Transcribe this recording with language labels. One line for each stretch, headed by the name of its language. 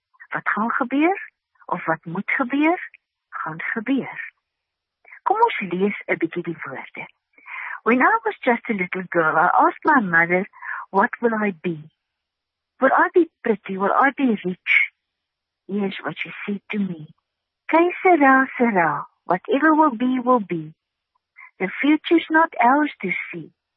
Afrikaans: Wat gaan gebeur, of wat moet gebeur, gaan gebeur. Kom ons lees 'n bietjie die woorde.
English: When I was just a little girl, I asked my mother, what will I be? Will I be pretty? Will I be rich? Here's what she said to me.
Spanish: Que sera, sera.
English: Whatever will be, will be. The future's not ours to see.